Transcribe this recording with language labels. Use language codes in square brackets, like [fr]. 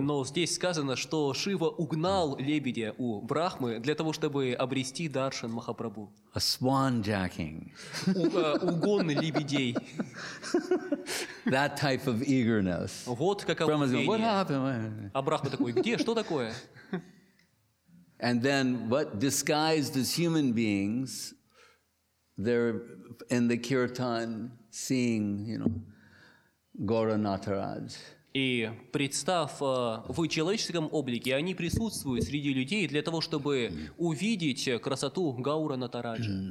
[ru] Но здесь сказано, что Шива угнал лебедя у Брахмы для того, чтобы обрести даршан Махапрабху. [en] A swan jacking. [ru] Угон лебедей. [en] That type of eagerness. [ru] Вот каково [en] Brahma's [ru] мнение. [en] Going, what happened? [ru] А Брахма такой, где, что такое? [en] And then, what disguised as human beings, they're in the kirtan seeing, you know, Gora Nataraj. [ru] И представ в человеческом облике, они присутствуют среди людей для того, чтобы увидеть красоту Гаура Натараджа.